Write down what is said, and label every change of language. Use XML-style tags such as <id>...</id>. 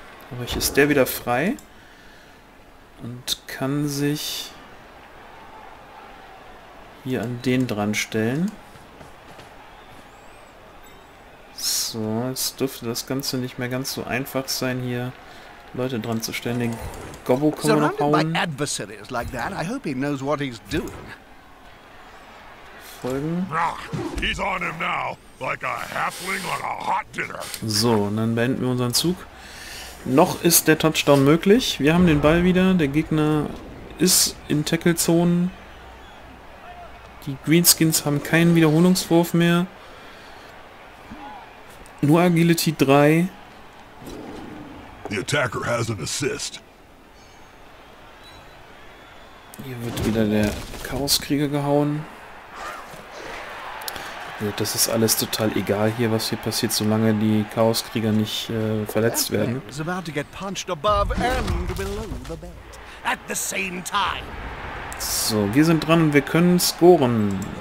<de>Aber hier ist der wieder frei. Und kann sich hier an den dran stellen. So, jetzt dürfte das Ganze nicht mehr ganz so einfach sein, hier Leute dran zu stellen. Den Gobbo können wir noch hauen.</de> <en>Adversaries like that. I hope he knows what he's doing.</en> <de>Folgen.</de> <en>He's on him now, like a halfling on a hot dinner.</en> <de>So, und dann beenden wir unseren Zug. Noch ist der Touchdown möglich. Wir haben den Ball wieder. Der Gegner ist in Tackle-Zonen. Die Greenskins haben keinen Wiederholungswurf mehr. Nur Agility 3.</de> <en>The attacker has an assist.</en> <de>Hier wird wieder der Chaoskrieger gehauen. Das ist alles total egal hier, was hier passiert, solange die Chaoskrieger nicht verletzt werden. So, wir sind dran und wir können scoren.</de>